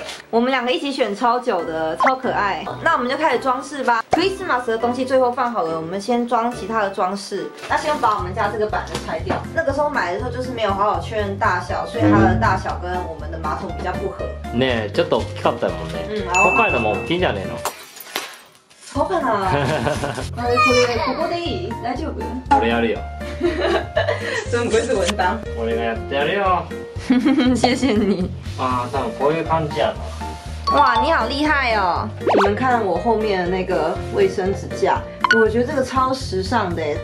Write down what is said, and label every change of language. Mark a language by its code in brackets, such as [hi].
[zh] 我们两个一起选超久的，超可爱。那我们就开始装饰吧。 Christmas 的东西最后放好了，我们先装其他的装饰。那先把我们家这个板子拆掉。那个时候买的时候就是没有好好确认大小，所以它的大小跟我们的马桶比较不合。 [ja] ねえ、ちょっと大きかったもんね。今回のも大きいんじゃねえの？そうかな。これここでいい？大丈夫？これやるよ。 [zh] 真不愧是文章。 [ja] 俺がやってやるよ。 [zh] 谢谢你。 [ja] 啊，多分こういう感じやな。 [zh] 哇，你好厉害哦！你们看我后面的那个卫生纸架，我觉得这个超时尚的耶。